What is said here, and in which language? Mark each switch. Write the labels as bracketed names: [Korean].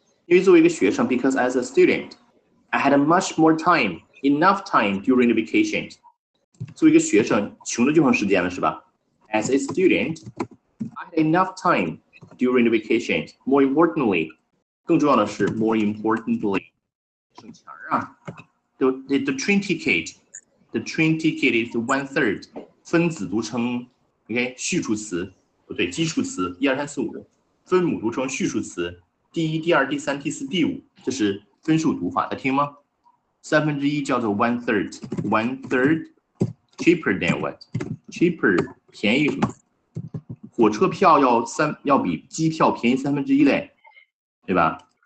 [Chinese] 因为作为一个学生， [English] because as a student I had much more time enough time during the vacations， [Chinese] 作为一个学生，穷的就剩时间了，是吧？ [English] As a student, I had enough time during the vacation. More importantly, [Chinese] 更重要的是 [English] more importantly, [Chinese] 省钱啊。 [English] The train ticket, the train ticket is one third. [Chinese] 分子读成 OK 序数词，不对，基数词，一二三四五，分母读成序数词，第一、第二、第三、第四、第五，这是分数读法，大家听吗？三分之一叫做 [English] one third, one third cheaper than what? [Chinese] Cheaper 便宜什么？火车票要比机票便宜三分之一嘞，对吧？